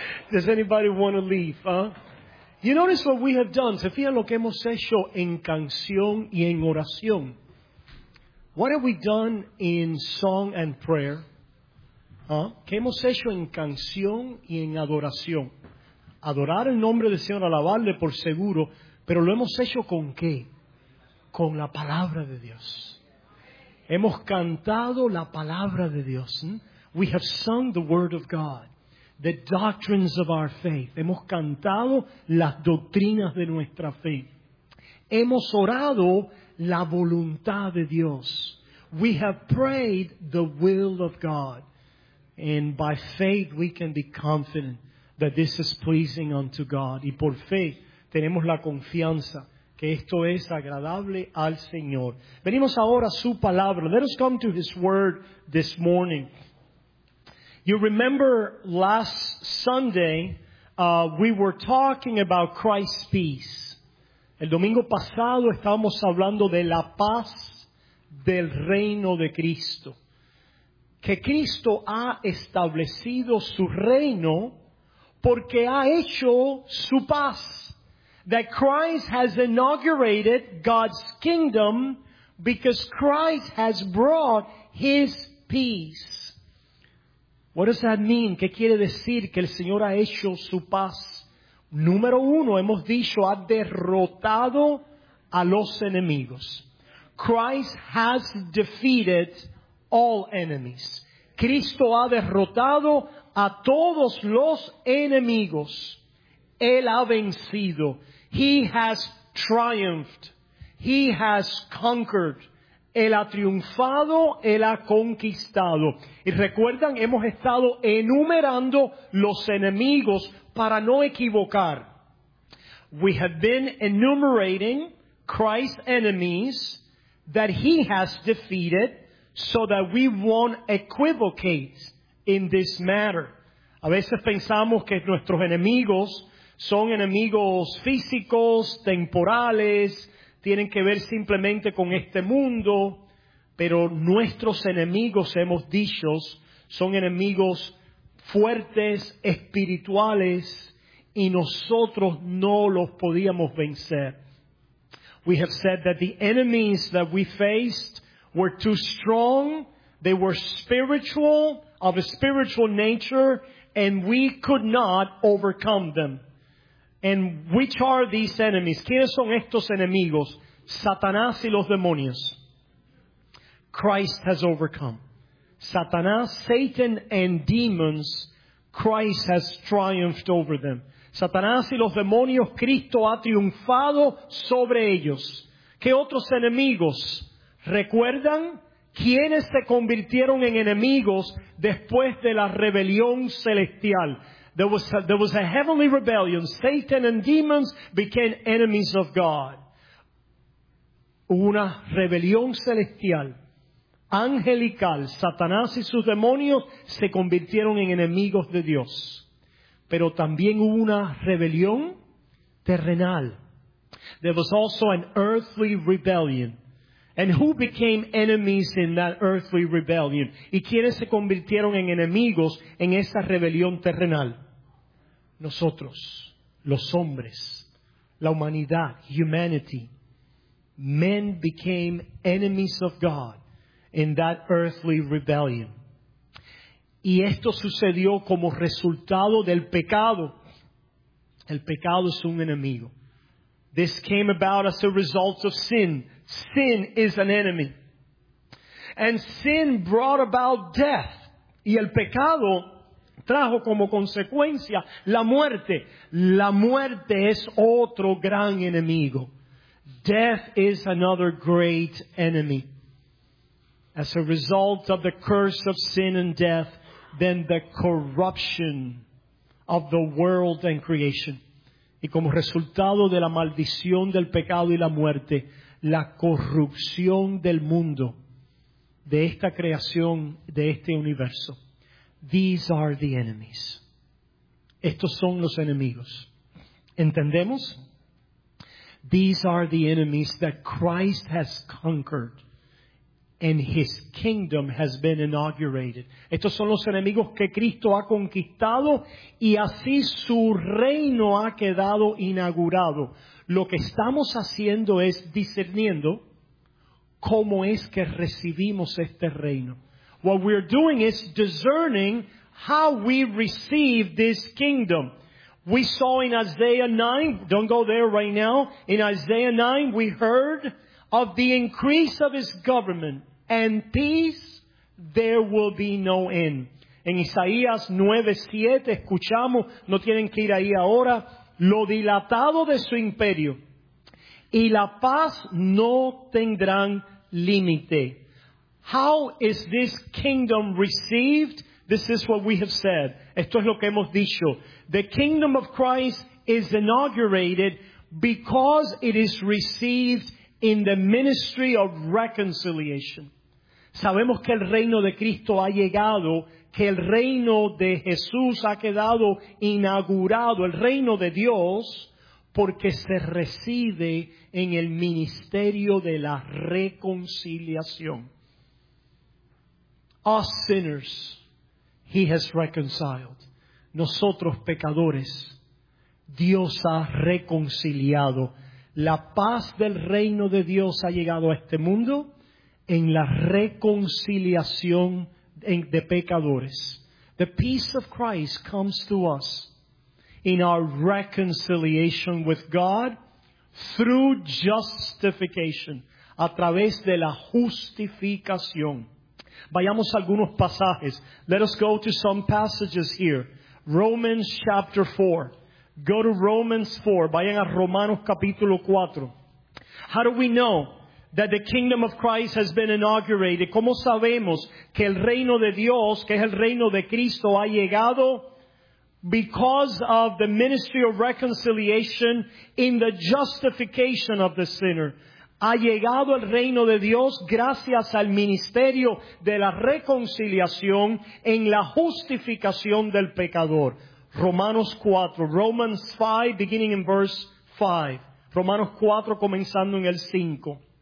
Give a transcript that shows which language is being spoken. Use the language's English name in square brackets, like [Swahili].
[English] Does anybody want to leave? Huh? You notice what we have done. [Spanish] Se fijan lo que hemos hecho en canción y en oración. [English] What have we done in song and prayer? Huh? [Spanish] ¿Qué hemos hecho en canción y en adoración? Adorar el nombre del Señor, alabarle por seguro, pero ¿lo hemos hecho con qué? Con la palabra de Dios. Hemos cantado la palabra de Dios. [English] We have sung the word of God, the doctrines of our faith. [Spanish] Hemos cantado las doctrinas de nuestra fe. Hemos orado la voluntad de Dios. [English] We have prayed the will of God. And by faith we can be confident that this is pleasing unto God. [Spanish] Y por fe tenemos la confianza que esto es agradable al Señor. Venimos ahora a su palabra. [English] Let us come to his word this morning. You remember last Sunday, we were talking about Christ's peace. [Spanish] El domingo pasado estábamos hablando de la paz del reino de Cristo. Que Cristo ha establecido su reino porque ha hecho su paz. [English] That Christ has inaugurated God's kingdom because Christ has brought his peace. What does that mean? [Spanish] ¿Qué quiere decir que el Señor ha hecho su paz? Número uno, hemos dicho, ha derrotado a los enemigos. [English] Christ has defeated all enemies. [Spanish] Cristo ha derrotado a todos los enemigos. Él ha vencido. [English] He has triumphed. He has conquered. [Spanish] Él ha triunfado, él ha conquistado. Y recuerdan, hemos estado enumerando los enemigos para no equivocar. [English] We have been enumerating Christ's enemies that he has defeated so that we won't equivocate in this matter. [Spanish] A veces pensamos que nuestros enemigos son enemigos físicos, temporales, tienen que ver simplemente con este mundo, pero nuestros enemigos, hemos dicho, son enemigos fuertes, espirituales, y nosotros no los podíamos vencer. [English] We have said that the enemies that we faced were too strong, they were spiritual, of a spiritual nature, and we could not overcome them. And which are these enemies? [Spanish] ¿Quiénes son estos enemigos? Satanás y los demonios. [English] Christ has overcome. Satanás, Satan and demons, Christ has triumphed over them. [Spanish] Satanás y los demonios, Cristo ha triunfado sobre ellos. ¿Qué otros enemigos? ¿Recuerdan quiénes se convirtieron en enemigos después de la rebelión celestial? [English] There was a heavenly rebellion. Satan and demons became enemies of God. [Spanish] Una rebelión celestial, angelical. Satanás y sus demonios se convirtieron en enemigos de Dios. Pero también hubo una rebelión terrenal. [English] There was also an earthly rebellion. And who became enemies in that earthly rebellion? [Spanish] ¿Y quiénes se convirtieron en enemigos en esa rebelión terrenal? Nosotros, los hombres, la humanidad, humanity. [English] Men became enemies of God in that earthly rebellion. [Spanish] Y esto sucedió como resultado del pecado. El pecado es un enemigo. [English] This came about as a result of sin. Sin is an enemy. And sin brought about death. [Spanish] Y el pecado trajo como consecuencia la muerte. La muerte es otro gran enemigo. [English] Death is another great enemy. As a result of the curse of sin and death, then the corruption of the world and creation. [Spanish] Y como resultado de la maldición del pecado y la muerte, la corrupción del mundo, de esta creación, de este universo. [English] These are the enemies. [Spanish] Estos son los enemigos. ¿Entendemos? [English] These are the enemies that Christ has conquered. and his kingdom has been inaugurated. [Spanish] Estos son los enemigos que Cristo ha conquistado y así su reino ha quedado inaugurado. Lo que estamos haciendo es discerniendo cómo es que recibimos este reino. [English] What we're doing is discerning how we receive this kingdom. We saw in Isaiah 9, don't go there right now, in Isaiah 9 we heard of the increase of his government and peace there will be no end. [Spanish] En Isaías 9:7 escuchamos, no tienen que ir ahí ahora, lo dilatado de su imperio y la paz no tendrán límite. [English] How is this kingdom received? This is what we have said. [Spanish] Esto es lo que hemos dicho. [English] The kingdom of Christ is inaugurated because it is received in the ministry of reconciliation. [Spanish] Sabemos que el reino de Cristo ha llegado, que el reino de Jesús ha quedado inaugurado, el reino de Dios, porque se reside en el ministerio de la reconciliación. [English] Us sinners, he has reconciled. [Spanish] Nosotros pecadores, Dios ha reconciliado. La paz del reino de Dios ha llegado a este mundo en la reconciliación de pecadores. [English] The peace of Christ comes to us in our reconciliation with God through justification, [Spanish] a través de la justificación. Vayamos a algunos pasajes. [English] Let us go to some passages here. Romans chapter 4. Go to Romans 4. [Spanish] Vayan a Romanos capítulo 4. [English] How do we know that the kingdom of Christ has been inaugurated? [Spanish] ¿Cómo sabemos que el reino de Dios, que es el reino de Cristo, ha llegado? [English] Because of the ministry of reconciliation in the justification of the sinner. [Spanish] Ha llegado el reino de Dios gracias al ministerio de la reconciliación en la justificación del pecador. [English] Romanos 4, Romans 5, beginning in verse 5. [Spanish] Romanos 4, comenzando en el 5.